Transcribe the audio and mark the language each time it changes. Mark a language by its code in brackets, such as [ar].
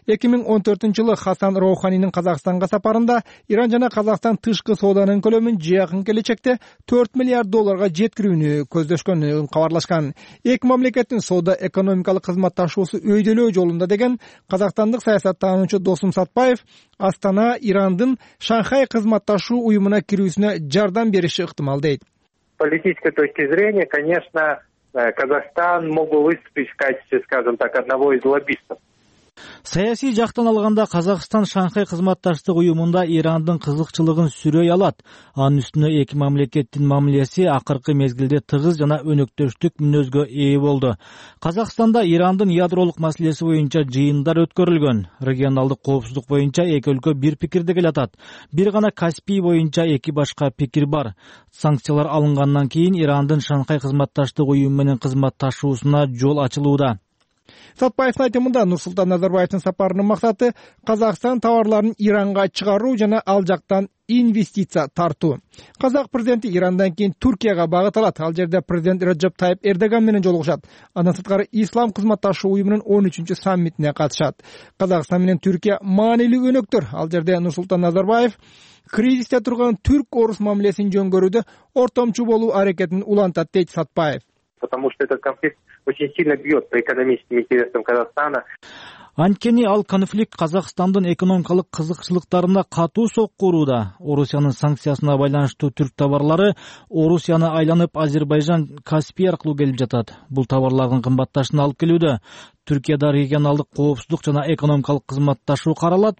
[ky] 2014 жылы Хасан Роуханинин Казакстанга сапарында Иран жана Казакстан тышкы сооданын көлөмүн жакын келечекте 4 миллиард долларга жеткирүүнү көздөшкөнүн кабарлашкан. Эки мамлекеттин соода экономикалык кызматташуусу өйдөлөө жолунда деген казакстандык саясаттануучу Досум Сатпаев Астана Ирандын Шанхай кызматташуу уюмуна кирүүсүнө жардам бериши ыктымал дейт. [ru] Политической точки зрения, конечно, Казахстан мог бы выступить в качестве, скажем так, одного из лоббистов. [ky] Саясий жактан алганда Казакстан Шанхай кызматташтык уюмунда Ирандын кызыкчылыгын сүрөй алат. Анын үстүнө эки мамлекеттин мамилеси акыркы мезгилде тыгыз жана өнөктөштүк мүнөзгө ээ болду. Казакстанда Ирандын ядролук маселеси боюнча жыйындар өткөрүлгөн. Регионалдык коопсуздук боюнча эки өлкө бир пикирде келе атат. Бир гана Каспий боюнча эки башка пикир бар. Санкциялар алынгандан кийин Ирандын Шанхай кызматташтык уюму менен кызматташуусуна жол ачылууда. Сатпаевдин айтымында Нурсултан Назарбаевдин сапарынын максаты Казакстан товарларын Иранга чыгаруу жана ал жактан инвестиция тартуу. Казак президенти Ирандан кийин Түркияга багыт алат. Ал жерде президент Реджеп Тайип Эрдоган менен жолугушат. Андан сырткары Ислам кызматташуу уюмунун 13-ү саммитине катышат. Казакстан менен Түркия маанилүү өнөктөр. Ал жерде Нурсултан Назарбаев кризисте турган түрк-орус мамилесин жөнгөрүүдө ортомчу болуу аракетин улантат, дейт Сатпаев. [ru] потому что этот конфликт очень сильно бьет по экономическим интересам Казахстана. [ky] Анткени ал конфликт Казахстандын экономикалык кызыкчылыктарына катуу соққу урууда. Орусиянын санкциясына байланыштуу түрк товарлары Орусияны айланып Азербайжан Каспий аркылуу келип жатат. Бул товарлардын кымбатташына алып келүүдө. Түркияда региональдык коопсуздук жана экономикалык кызматташуу каралат.